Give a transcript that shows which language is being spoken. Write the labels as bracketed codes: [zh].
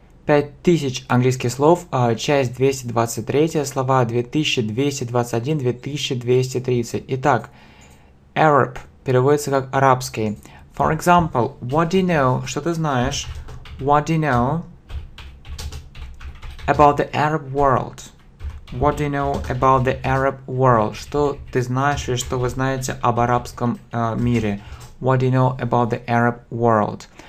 [ru] 5000 английских слов, часть 223, слова 2221, 2230. Итак, Arab переводится как арабский. [en] For example, what do you know? [ru] Что ты знаешь? [en] What do you know about the Arab world? What do you know about the Arab world? [ru] Что ты знаешь или что вы знаете об арабском мире? [en] What do you know about the Arab world?